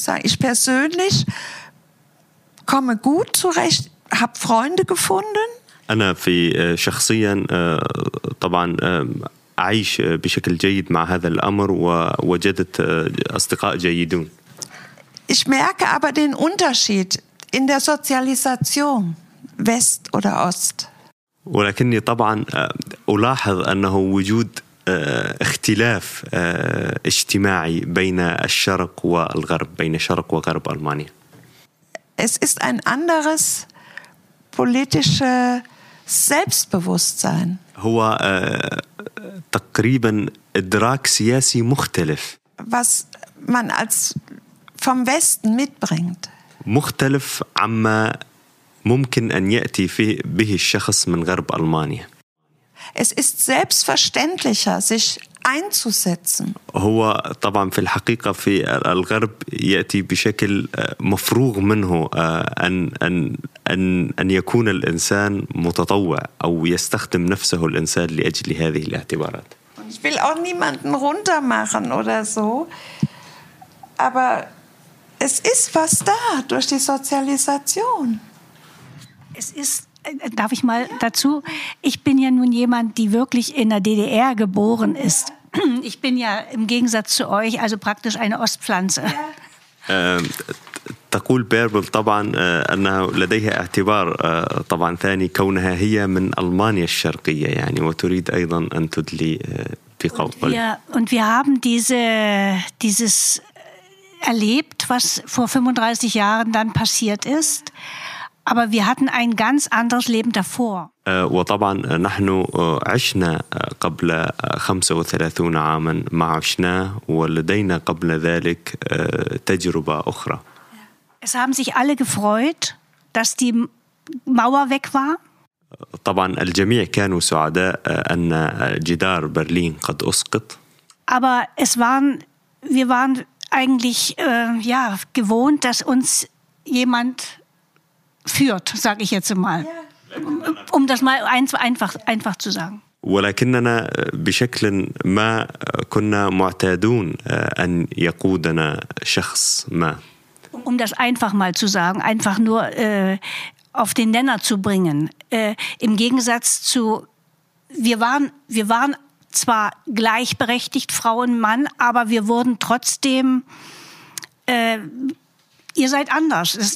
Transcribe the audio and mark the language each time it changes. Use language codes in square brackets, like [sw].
[de] Ich persönlich komme gut zurecht, habe Freunde gefunden. [ar] أنا في شخصيا طبعا أعيش بشكل جيد مع هذا الأمر ووجدت أصدقاء جيدون. [de] Ich merke aber den Unterschied in der Sozialisation West oder Ost. [ar] ولكني طبعا ألاحظ أنه وجود اختلاف اجتماعي بين الشرق والغرب، بين شرق وغرب ألمانيا. [de] Es ist ein anderes politisches Selbstbewusstsein. [ar] هو تقريبا إدراك سياسي مختلف. [de] Was man als vom Westen mitbringt. [ar] مختلف عما ممكن أن يأتي به الشخص من غرب ألمانيا. [de] Es ist selbstverständlicher, sich einzusetzen. [ar] هو طبعا في الحقيقة في الغرب يأتي بشكل مفروغ منه أن أن أن أن يكون الإنسان متطوع أو يستخدم نفسه الإنسان لأجل هذه الاعتبارات. [de] ich will auch niemanden runtermachen oder so. Aber es ist was da durch die Sozialisation. Es ist, darf ich mal dazu? Ich bin ja nun jemand, die wirklich in der DDR geboren ist. Ich bin ja im Gegensatz zu euch also praktisch eine Ostpflanze. Ja. [ar] تقول بيربل طبعا أنها لديها اعتبار طبعا ثاني كونها هي من ألمانيا الشرقية يعني وتريد أيضا أن تدلي في قلبي. [de] Ja, und wir haben dieses erlebt, was vor 35 Jahren dann passiert ist. Aber wir hatten ein ganz anderes Leben davor. [ar] وطبعا نحن عشنا قبل 35 عاما ما عشناه ولدينا قبل ذلك تجربة أخرى. [de] Es haben sich alle gefreut, dass die Mauer weg war. [ar] طبعا الجميع كانوا سعداء أن جدار برلين قد أسقط. [de] Aber es waren, wir waren eigentlich ja, gewohnt, dass uns jemand führt, sage ich jetzt mal. Um das mal einfach zu sagen. [ar] ولكننا بشكل ما كنا معتادون أن يقودنا شخص ما. [de] Um das einfach mal zu sagen, einfach nur auf den Nenner zu bringen. Im Gegensatz zu, wir waren zwar gleichberechtigt, Frau und Mann, aber wir wurden trotzdem, ihr seid anders.